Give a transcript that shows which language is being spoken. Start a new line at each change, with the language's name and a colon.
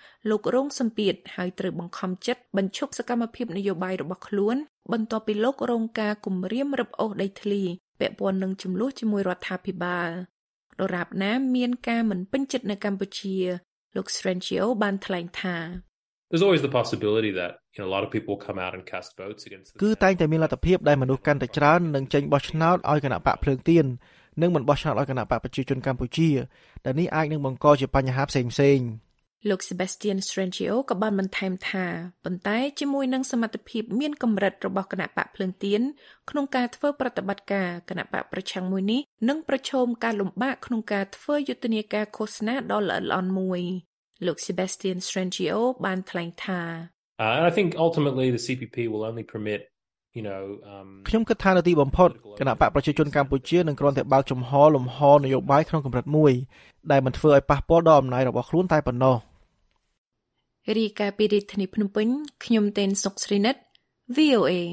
Khmer: លោករងសម្ពាធហើយត្រូវបង្ខំចិត្តបញ្ឈប់សកម្មភាពនយោបាយរបស់ខ្លួនបន្ទាប់ពីលោករងការគំរាមរឹបអូសដីធ្លីពាក់ព័ន្ធនឹងចំនួនជាមួយរដ្ឋាភិបាលដរាបណាមានការមិនពេញចិត្តនៅកម្ពុជាលោក Strangio បានថ្លែងថា
English: There's always the possibility that you know a lot of people come out and cast votes against
Khmer: គឺតែងតែមានលទ្ធភាពដែលមនុស្សកាន់តែច្រើននឹងចេញបោះឆ្នោតឲ្យគណៈបកភ្លឹងទៀននឹងមិនបោះឆ្នោតឲ្យគណៈបកប្រជាជនកម្ពុជាដែលនេះអាចនឹងបង្កជាបញ្ហាផ្សេងផ្សេង លោក Sebastian Strangio ក៏បានបន្ថែមថាប៉ុន្តែជាមួយនឹងសមត្ថភាពមានកម្រិតរបស់គណៈបកភ្លើងទៀនក្នុងការធ្វើប្រតិបត្តិការគណៈបកប្រឆាំងមួយនេះនឹងប្រឈមការលំបាកក្នុងការធ្វើយុទ្ធនាការឃោសនាដ៏ល្អិតល្អន់មួយលោក Sebastian Strangio បានថ្លែងថា
English: I think ultimately the CPP will only permit
Khmer: ខ្ញុំគិតថានៅទីបំផុតគណៈបកប្រជាជនកម្ពុជានឹងគ្រាន់តែបើកចំហលំហនយោបាយក្នុងកម្រិតមួយដែលមិនធ្វើឲ្យប៉ះពាល់ដល់អំណាចរបស់ខ្លួនតែប៉ុណ្ណោះ រីកាពីរិទ្ធនីភ្នំពេញខ្ញុំតេនសុកស្រីនិត VOA